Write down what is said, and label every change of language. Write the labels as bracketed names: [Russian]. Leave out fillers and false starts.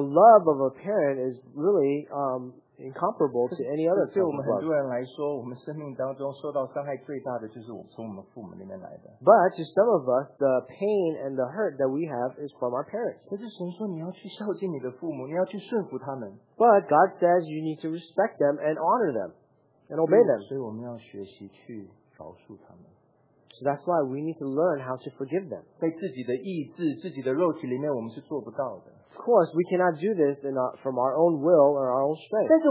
[English] love of a parent is really incomparable to any other type of love. [Chinese] 对我们很多人来说，我们生命当中受到伤害最大的就是从我们父母那边来的。 [English] But to some of us, the pain and the hurt that we have is from our parents. [Chinese] 但是神说你要去孝敬你的父母，你要去顺服他们。 [English] But God says you need to respect them and honor them and obey them. [Chinese] 所以我们要学习去饶恕他们。 [English] So that's why we need to learn how to forgive them. [Chinese] 在自己的意志、自己的肉体里面，我们是做不到的。 [English] Of course, we cannot do this from our own will or our own strength.